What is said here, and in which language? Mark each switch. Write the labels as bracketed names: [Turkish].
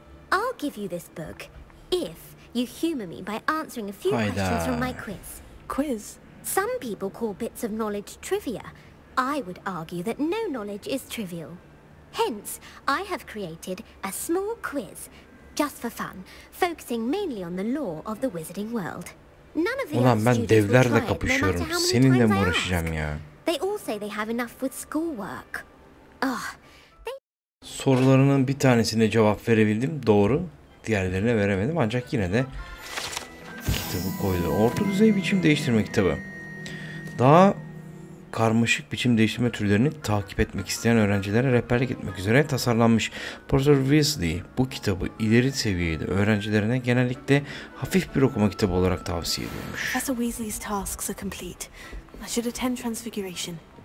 [English] I'll give you this book if you humor me by answering a few questions from my quiz. Quiz? Some people call bits of knowledge trivia. I would argue that no knowledge is trivial. Hence, I have created a small quiz just for fun, focusing mainly on the lore of the wizarding world. None of the [Turkish] Ulan ben devlerle kapışıyorum. Seninle mi uğraşacağım ya? [English] They all say they have enough with schoolwork. Oh, they... [Turkish] Sorularının bir tanesine cevap verebildim. Doğru. Diğerlerine veremedim. Ancak yine de kitabı koydu. Orta düzey biçim değiştirme kitabı. Daha karmaşık biçim değiştirme türlerini takip etmek isteyen öğrencilere rehberlik etmek üzere tasarlanmış. Professor Weasley bu kitabı ileri seviyede öğrencilerine genellikle hafif bir okuma kitabı olarak tavsiye ediyormuş. [English] Professor Weasley's tasks are complete. I should attend Transfiguration.